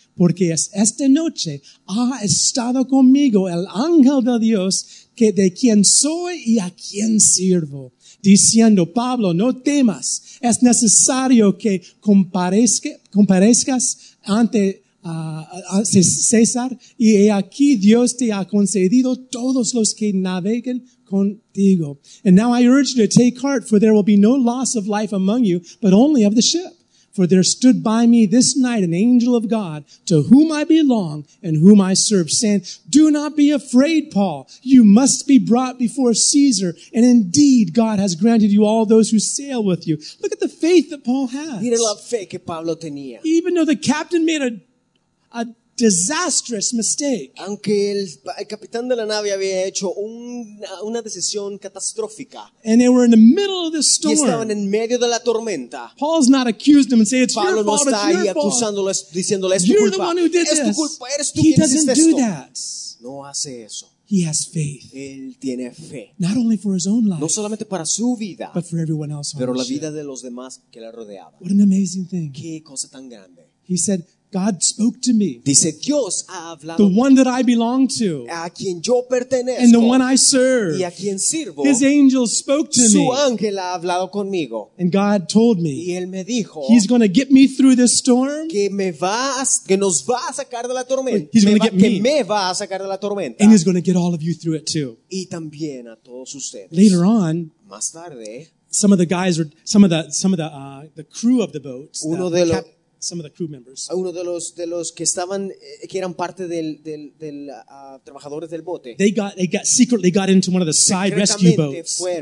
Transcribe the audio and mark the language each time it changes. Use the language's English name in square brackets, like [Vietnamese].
[Spanish] Porque esta noche ha estado conmigo el ángel de Dios, que de quien soy y a quien sirvo, diciendo: Pablo, no temas, es necesario que comparezcas ante César, y he aquí Dios te ha concedido todos los que naveguen contigo. [English] And now I urge you to take heart, for there will be no loss of life among you, but only of the ship. For there stood by me this night an angel of God, to whom I belong and whom I serve, saying, do not be afraid, Paul. You must be brought before Caesar, and indeed God has granted you all those who sail with you. Look at the faith that Paul has. [Spanish] Mira la fe que Pablo tenía. [English] Even though the captain made a disastrous mistake. [Spanish] Aunque el capitán de la nave había hecho una decisión catastrófica. [English] And they were in the middle of the storm. [Spanish] Y estaban en medio de la tormenta. [English] Paul's not accused them and say it's your fault. [Spanish] Pablo no está ahí acusándoles, diciéndoles es tu culpa. [English] You're the one who did this. [Spanish] Es tu culpa. Eres tú quien hiciste esto. [English] He doesn't do that. [Spanish] No hace eso. [English] He has faith. [Spanish] Él tiene fe. [English] Not only for his own life, [Spanish] no solamente para su vida, [English] but for everyone else. [Spanish] Pero la vida de los demás que la rodeaban. [English] What an amazing thing. [Spanish] Qué cosa tan grande. [English] He said, God spoke to me. [Spanish] Dice, Dios ha hablado. [English] The one that I belong to. [Spanish] A quien yo pertenezco. [English] And the one I serve. [Spanish] Y a quien sirvo. [English] His angel spoke to me. [Spanish] Su ángel ha hablado conmigo. [English] And God told me. [Spanish] Y él me dijo. [English] He's going to get me through this storm. [Spanish] Que nos va a sacar de la tormenta. [English] He's going to get me. [Spanish] Que me va a sacar de la tormenta. [English] And he's going to get all of you through it too. [Spanish] Y también a todos ustedes. [English] Later on. [Spanish] Más tarde. [English] Some of the guys were, the crew of the boats. Some of the crew members. [Spanish] Uno de los que estaban, que eran parte del trabajadores del bote. [English] They got into one of the side rescue boats.